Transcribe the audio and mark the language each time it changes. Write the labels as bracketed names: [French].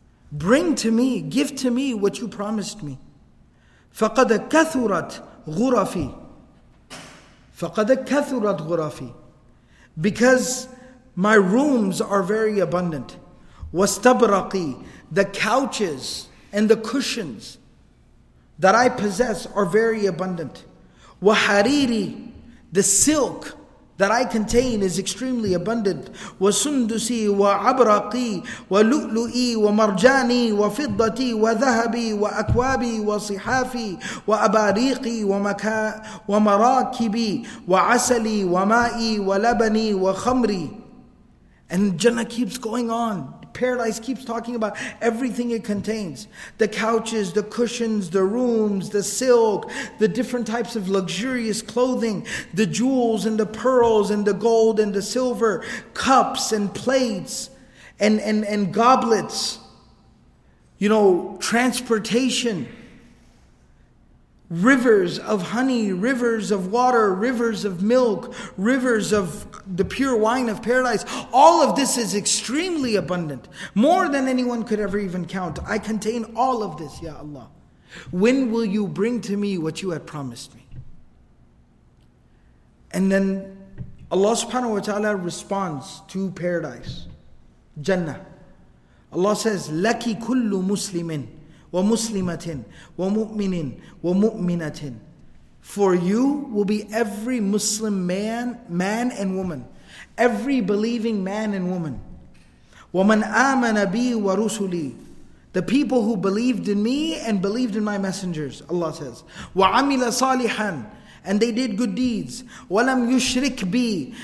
[English] Bring to me, give to me what you promised me. [Arabic] فَقَدَ كَثُرَتْ غُرَفِي فَقَدَ كَثُرَتْ غُرَفِي [English] Because my rooms are very abundant. وَاسْتَبْرَقِي The couches and the cushions that I possess are very abundant. وَحَرِيرِي The silk that I contain is extremely abundant. [Arabic] وَسُنْدُسِي وَعَبْرَقِي وَلُؤْلُؤِي وَمَرْجَانِي وَفِضَّتِي وَذَهَبِي وَأَكْوَابِي وَصِحَافِي وَأَبَارِيقِي وَمَرَاكِبِي وَعَسَلِي وَمَائِي وَلَبَنِي وَخَمْرِي [English] And Jannah keeps going on. Paradise keeps talking about everything it contains. The couches, the cushions, the rooms, the silk, the different types of luxurious clothing, the jewels and the pearls and the gold and the silver, cups and plates and goblets, you know, transportation, rivers of honey, rivers of water, rivers of milk, rivers of the pure wine of paradise. All of this is extremely abundant. More than anyone could ever even count. I contain all of this, Ya Allah. When will you bring to me what you had promised me? And then Allah subhanahu wa ta'ala responds to paradise, Jannah. Allah says, [Arabic] لَكِ كُلُّ مُسْلِمٍ وَمُسْلِمَةٍ وَمُؤْمِنٍ وَمُؤْمِنَةٍ. [English] For you will be every Muslim man and woman, every believing man and woman. [Arabic] وَمَنْ آمَنَ بِي وَرُسُلِي. [English] The people who believed in me and believed in my messengers, Allah says. [Arabic] وَعَمِلَ صَالِحًا. [English] And they did good deeds. [Arabic] وَلَمْ يُشْرِكْ بِي.